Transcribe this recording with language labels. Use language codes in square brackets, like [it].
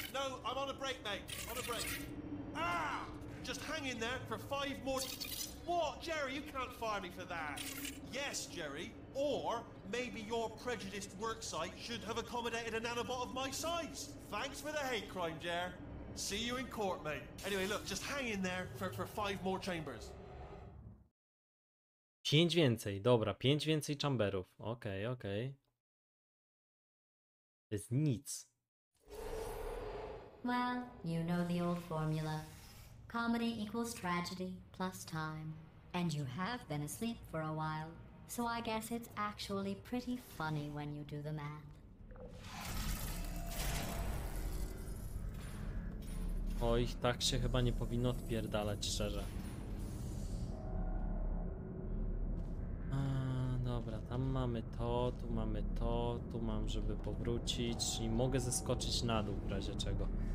[en] No, I'm on a break, mate. On a break. Ah! Just hang in there for five more. What, Jerry? You can't fire me for that. Yes, Jerry. Or maybe your prejudiced work site should have accommodated a nanobot of my size. Thanks for the hate crime, Jer. See you in court, mate. Anyway, look, just hang in there for five more chambers. [pl] Pięć więcej, dobra, pięć więcej chamberów. Okej, okay, okej. Okay. To jest nic. [en] Well, you know the old formula. Comedy equals tragedy plus time. And you have been asleep for a while. So I guess it's actually pretty funny when you do the math. [pl] Oj, tak się chyba nie powinno odpierdalać, szczerze. Dobra, tam mamy to, tu mamy to, tu mam, żeby powrócić i mogę zeskoczyć na dół w razie czego.